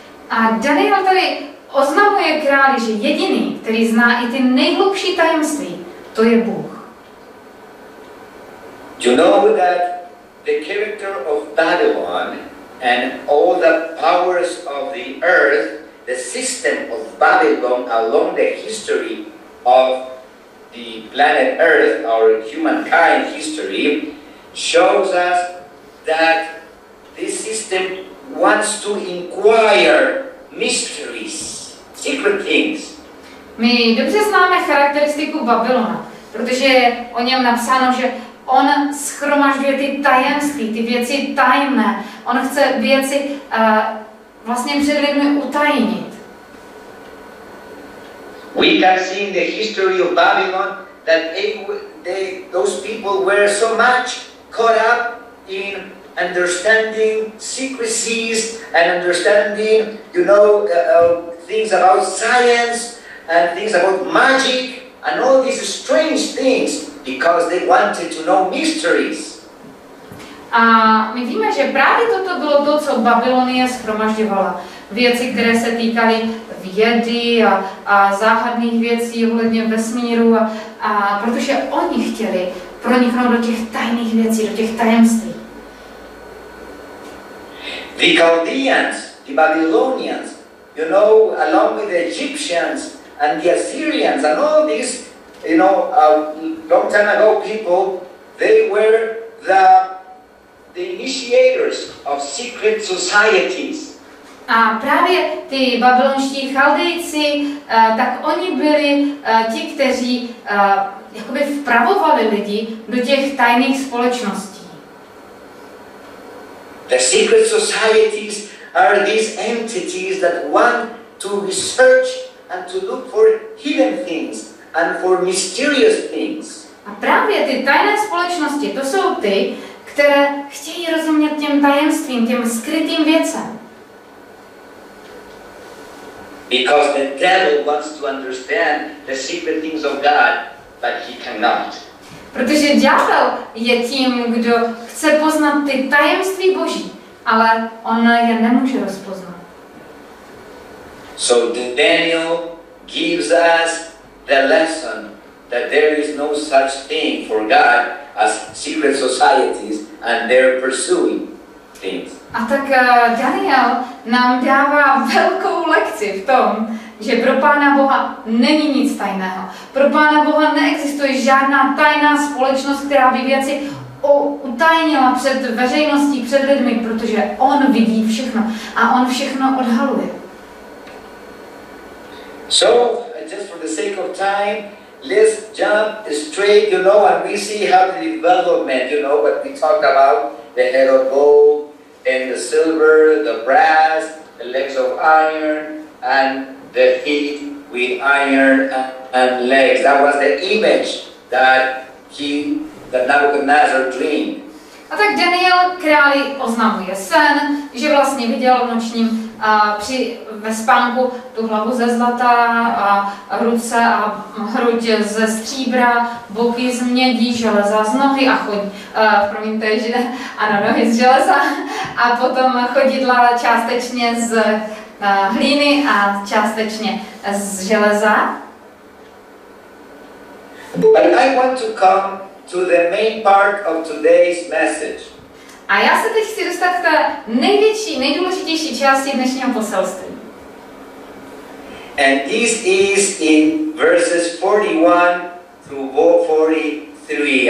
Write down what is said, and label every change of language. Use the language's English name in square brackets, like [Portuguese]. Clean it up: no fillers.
[Czech] A Daniel tady oznamuje králi, že jediný, který zná i ty nejhlubší tajemství, to je Bůh. [English] Do you know that the character of Babylon and all the powers of the earth, the system of Babylon along the history of the planet Earth, our humankind history, shows us that this system wants to inquire mysteries, secret things. [Czech] My dobře známe charakteristiku Babylona, protože je o něm napsáno, že on shromažďuje ty tajemství, ty věci tajné. On chce věci vlastně před lidmi utajnit. [English] We can see in the history of Babylon that those people were so much caught up in understanding secrecies and understanding, you know, things about science and things about magic and all these strange things because they wanted to know mysteries. [Czech] A my víme, že právě toto bylo to, co Babylonie shromažďovala. Věci, které se týkaly vědy a záhadných věcí ohledně vesmíru, a protože oni chtěli proniknout do těch tajných věcí, do těch tajemství. [English] The Chaldeans, the Babylonians, you know, along with the Egyptians and the Assyrians and all these, you know, long time ago people, they were the initiators of secret societies. [Czech] A právě ty babylonští Chaldejci, tak oni byli ti, kteří jakoby vpravovali lidi do těch tajných společností. [English] The secret societies are these entities that want to research and to look for hidden things and for mysterious things. [Czech] A právě ty tajné společnosti, to jsou ty, které chtějí rozumět těm tajemstvím, těm skrytým věcem. [English] Because the devil wants to understand the secret things of God, but he cannot. [Czech] Protože ďábel je tím, kdo chce poznat ty tajemství Boží, ale on je nemůže rozpoznat. [English] So Daniel gives us the lesson that there is no such thing for God as secret societies and their pursuing things. [Czech] A tak Daniel nám dává velkou lekci v tom, že pro Pána Boha není nic tajného. Pro Pána Boha neexistuje žádná tajná společnost, která by věci utajnila před veřejností, před lidmi, protože on vidí všechno a on všechno odhaluje. [English] So, just for the sake of time, let's jump straight, you know, and we see how the development, you know, what we talked about, the head of gold, and the silver, the brass, the legs of iron, and the feet with iron and legs. That was the image that that Nebuchadnezzar dreamed. [Czech] A tak Daniel králi oznamuje sen, že vlastně viděl v nočním ve spánku tu hlavu ze zlata a ruce a hruď ze stříbra, boky z mědi, železa z nohy a chodí, promiňte, že ano, nohy z železa a potom chodidla částečně z hlíny a částečně z železa. [English] But I want to come to the main part of today's message. [Czech] A já se teď chci dostat k té největší, nejdůležitější části dnešního poselství. [English] And this is in verses 41 through 43.